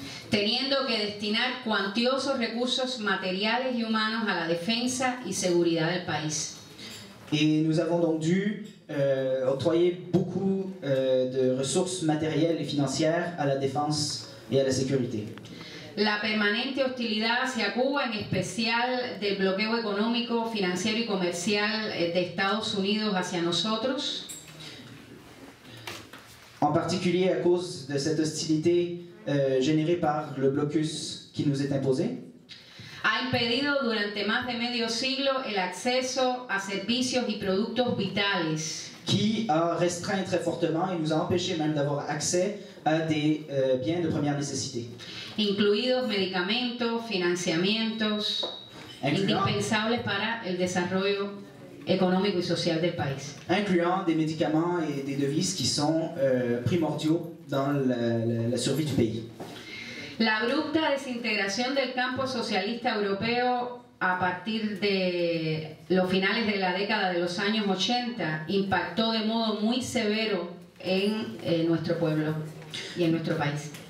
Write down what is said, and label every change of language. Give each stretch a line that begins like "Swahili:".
Spanish: Teniendo que destinar cuantiosos recursos materiales y humanos a la defensa y seguridad del país.
French: Et nous avons donc dû octroyer beaucoup de ressources matérielles et financières à la défense et à la sécurité.
Spanish: La permanente hostilidad hacia Cuba, en especial del bloqueo económico, financiero y comercial de Estados Unidos hacia nosotros.
French: En particulier à cause de cette hostilité générée par le blocus qui nous est imposé.
Spanish: Ha impedido durante más de medio siglo el acceso a servicios y productos vitales.
French: Qui a restreint très fortement et nous a empêché même d'avoir accès à des biens de première nécessité.
Spanish: Incluidos medicamentos, financiamientos, indispensables para el desarrollo económico y social del país.
French: Incluant des médicaments et des devises qui sont primordiaux dans la survie du pays.
Spanish: La abrupta desintegración del campo socialista europeo a partir de los finales de la década de los años 80 impactó de modo muy severo en nuestro pueblo y en nuestro país.